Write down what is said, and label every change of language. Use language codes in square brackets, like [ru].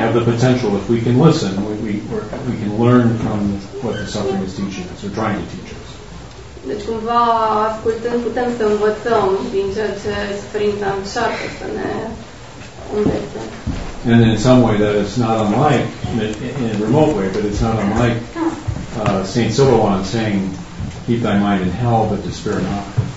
[en] have the potential, if we can listen, we can learn from what the suffering is teaching us, or trying to teach us. [ro] Deci cumva ascultând putem să învățăm din ceea ce suferința încearcă să ne învețe. [en] And in some way that is not unlike, in a remote way, but it's not unlike St. Silvan saying, keep thy mind in hell, but despair not.